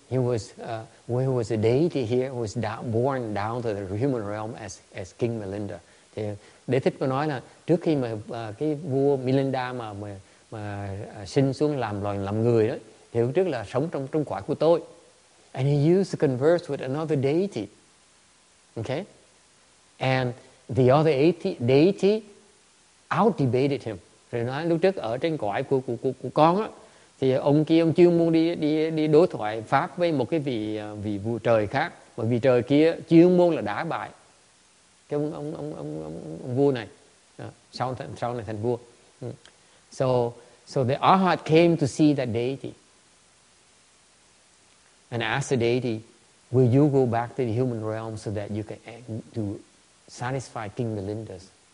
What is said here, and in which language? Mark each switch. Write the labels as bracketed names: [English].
[English] He was, when he was a deity here, was born down to the human realm as King Milinda. [Vietnamese] Thì Đế Thích có nói là trước khi mà cái vua Milinda mà sinh xuống làm loài làm người đó, thì trước là sống trong quả của tôi. [English] And he used to converse with another deity. Okay? And the other deity out-debated him. [Vietnamese] Rồi nói lúc trước ở trên cõi của con á, thì ông kia ông chưa muốn đi đối thoại pháp với một cái vị vua trời khác, mà vị trời kia chưa muốn là đã bại cái ông vua này. Sau này thành vua. [English] So the Arhat came to see that deity and asked the deity, will you go back to the human realm so that you can do satisfy King Milinda's